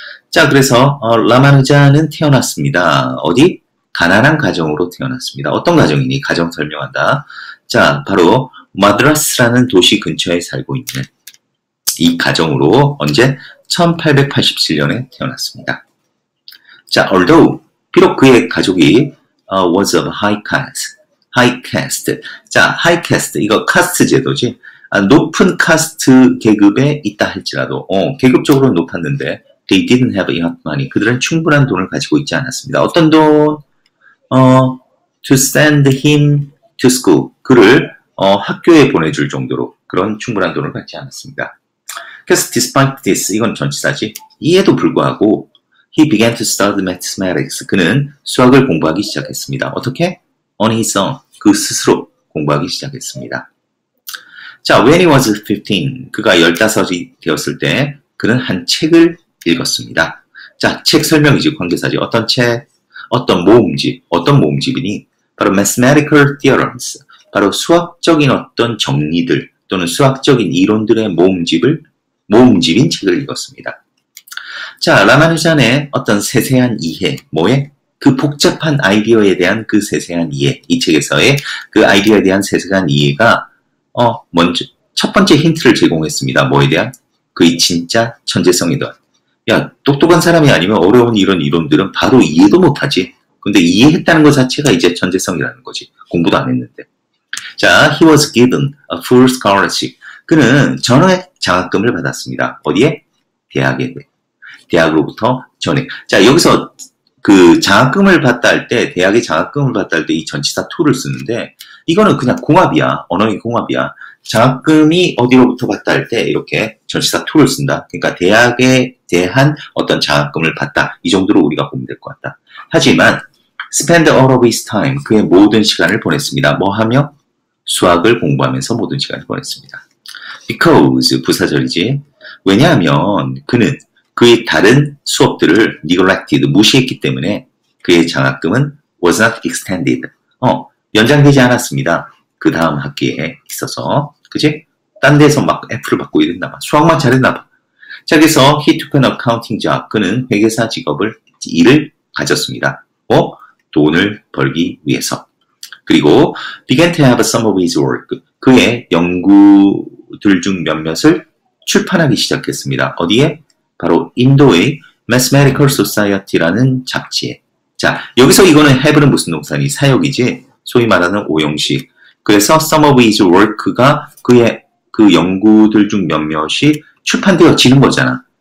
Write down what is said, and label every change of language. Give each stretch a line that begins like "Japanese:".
Korean: 자, 그래서 라마누잔은 태어났습니다. 어디? 가난한 가정으로 태어났습니다. 어떤 가정이니? 가정 설명한다. 자, 바로 마드라스라는 도시 근처에 살고 있는 이 가정으로 언제? 1887년에 태어났습니다. 자, although 비록 그의 가족이
English: was of high caste.
Korean: High caste. 자, high caste. 이거 카스트 제도지. 아, 높은 카스트 계급에 있다 할지라도, 계급적으로 높았는데,
English: they didn't have enough money.
Korean: 그들은 충분한 돈을 가지고 있지 않았습니다. 어떤 돈?
English: to send him to school.
Korean: 그를 학교에 보내줄 정도로 그런 충분한 돈을 받지 않았습니다. 그래서
English: despite this,
Korean: 이건 전치사지. 이에도 불구하고
English: he began to study mathematics.
Korean: 그는 수학을 공부하기 시작했습니다. 어떻게?
English: On his own.
Korean: 그 스스로 공부하기 시작했습니다. 자,
English: when he was 15,
Korean: 그가 15이 되었을 때 그는 한 책을 읽었습니다. 자, 책 설명이지, 관계사지. 어떤 책, 어떤 모음집, 어떤 모음집이니? 바로
English: mathematical theorems,
Korean: 바로 수학적인 어떤 정리들 또는 수학적인 이론들의 모음집을, 모음집인 책을 읽었습니다. 자, 라마누잔의 어떤 세세한 이해, 뭐에? 그 복잡한 아이디어에 대한 그 세세한 이해, 이 책에서의 그 아이디어에 대한 세세한 이해가 먼저 첫 번째 힌트를 제공했습니다. 뭐에 대한? 그의 진짜 천재성이던. 야, 똑똑한 사람이 아니면 어려운 이런 이론들은 바로 이해도 못하지. 근데 이해했다는 것 자체가 이제 천재성이라는 거지. 공부도 안 했는데.
English: 자, he was given a full scholarship.
Korean: 그는 전액 장학금을 받았습니다. 어디에? 대학에. 대학으로부터 전액. 자, 여기서 그 장학금을 받다 할 때, 대학의 장학금을 받다 할 때 이 전치사 to를 쓰는데, 이거는 그냥 공합이야. 언어의 공합이야. 장학금이 어디로부터 받다 할 때 이렇게 전치사 to를 쓴다. 그러니까 대학에 대한 어떤 장학금을 받다. 이 정도로 우리가 보면 될 것 같다. 하지만
English: spend all of his time,
Korean: 그의 모든 시간을 보냈습니다. 뭐 하며? 수학을 공부하면서 모든 시간을 보냈습니다. Because, 부사절이지. 왜냐하면 그는 그의 다른 수업들을
English: neglected,
Korean: 무시했기 때문에 그의 장학금은
English: was not extended.
Korean: 연장되지 않았습니다. 그 다음 학기에 있어서, 그치? 딴 데서 막 F를 받고 이랬나 봐. 수학만 잘했나 봐. 자, 그래서
English: he took an accounting job.
Korean: 그는 회계사 직업을, 일을 가졌습니다. 돈을 벌기 위해서. 그리고
English: began to have some of his work.
Korean: 그의 연구들 중 몇몇을 출판하기 시작했습니다. 어디에? 바로 인도의 Mathematical Society라는 잡지에. 자, 여기서 이거는 have는 무슨 동사니? 사역이지? 소위 말하는 오형식. 그래서
English: some of his work
Korean: 가 그의 그 연구들 중 몇몇이 출판되어지는 거잖아.